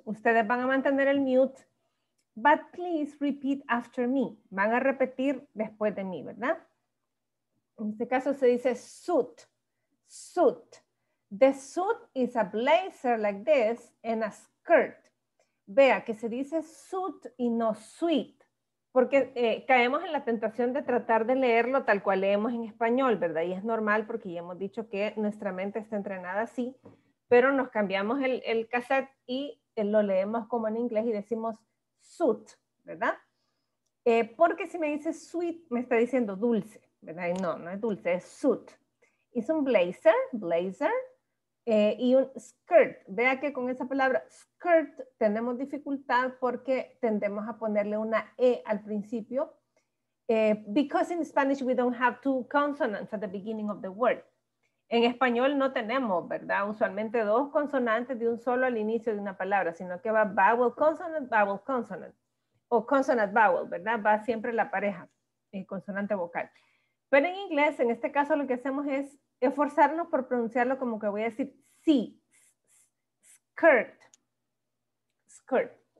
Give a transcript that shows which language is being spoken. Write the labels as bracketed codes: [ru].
[es] Ustedes van a mantener el mute, [en] but please repeat after me. [es] Van a repetir después de mí, ¿verdad? En este caso se dice suit, suit. [en] The suit is a blazer like this and a skirt. [es] Vea que se dice suit y no suit, porque caemos en la tentación de tratar de leerlo tal cual leemos en español, ¿verdad? Y es normal porque ya hemos dicho que nuestra mente está entrenada así, pero nos cambiamos el cassette y lo leemos como en inglés y decimos suit, ¿verdad? Porque si me dice sweet, me está diciendo dulce. ¿Verdad? No, no es dulce, es suit. Es un blazer, blazer, y un skirt. Vea que con esa palabra skirt tenemos dificultad porque tendemos a ponerle una E al principio. [en] Because in Spanish we don't have two consonants at the beginning of the word. [es] En español no tenemos, ¿verdad? Usualmente dos consonantes de un solo al inicio de una palabra, sino que va vowel, consonant, o consonant, vowel, ¿verdad? Va siempre la pareja, consonante, vocal. Pero en inglés, en este caso, lo que hacemos es esforzarnos por pronunciarlo como que voy a decir sí, skirt, skirt.